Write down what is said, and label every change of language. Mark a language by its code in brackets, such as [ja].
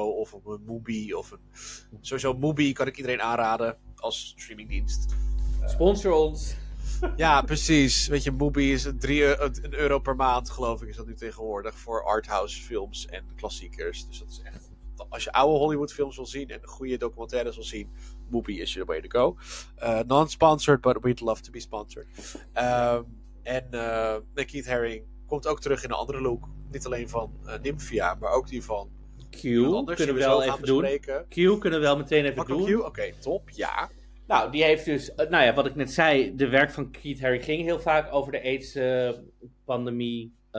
[nl] Of op een Mubi. Sowieso Mubi kan ik iedereen aanraden als streamingdienst. Sponsor ons. Ja, precies. Weet je, Mubi is een euro per maand, geloof ik, is dat nu tegenwoordig. Voor arthouse films en klassiekers. Dus dat is echt... Als je oude Hollywood films wil zien en goede documentaires wil zien, Mubi [en] is your way to go. Non-sponsored, but we'd love to be sponsored. [nl] En Keith Haring komt ook terug in een andere look. Niet alleen van Nymphia, maar ook die van Q. Kunnen we wel even doen. Bespreken. Q kunnen we wel meteen even doen. Q? Oké, top, ja. Nou, die heeft dus, wat ik net zei, de werk van Keith Haring ging heel vaak over de AIDS-pandemie.